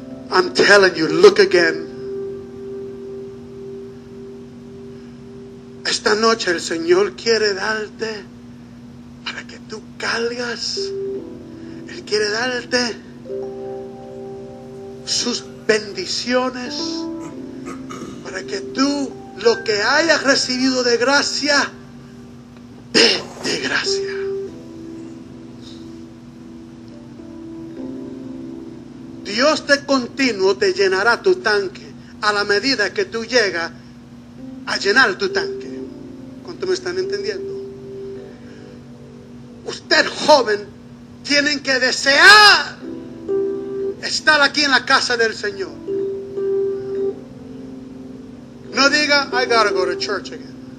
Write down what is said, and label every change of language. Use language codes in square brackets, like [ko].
[en] I'm telling you, look again. [es] Esta noche el Señor quiere darte para que tú cargas. Él quiere darte sus bendiciones para que tú lo que hayas recibido de gracia, de gracia. Dios de continuo te llenará tu tanque a la medida que tú llegas a llenar tu tanque. ¿Cuánto me están entendiendo? Usted joven tiene que desear estar aquí en la casa del Señor. No diga, [en] I gotta go to church again.